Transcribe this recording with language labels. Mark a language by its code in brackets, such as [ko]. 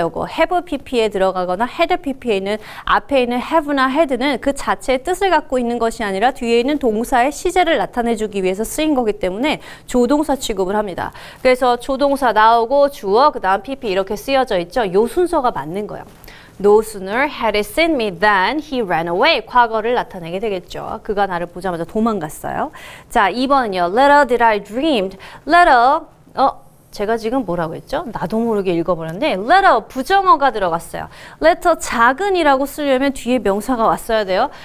[ko] 요거 have pp에 들어가거나 had pp에 있는 앞에 있는 have나 had는 그 자체의 뜻을 갖고 있는 것이 아니라 뒤에 있는 동사의 시제를 나타내주기 위해서 쓰인 거기 때문에 조동사 취급을 합니다. 그래서 조동사 나오고 주어 그 다음 pp 이렇게 쓰여져 있죠. 요 순서가 맞는 거예요. [en] No sooner had he seen me than he ran away. [ko] 과거를 나타내게 되겠죠. 그가 나를 보자마자 도망갔어요. 자, 2번은요. [en] Little did I dreamed. [ko] Little, 제가 지금 뭐라고 했죠? 나도 모르게 읽어버렸네. Little, 부정어가 들어갔어요. Little, 작은이라고 쓰려면 뒤에 명사가 왔어야 돼요.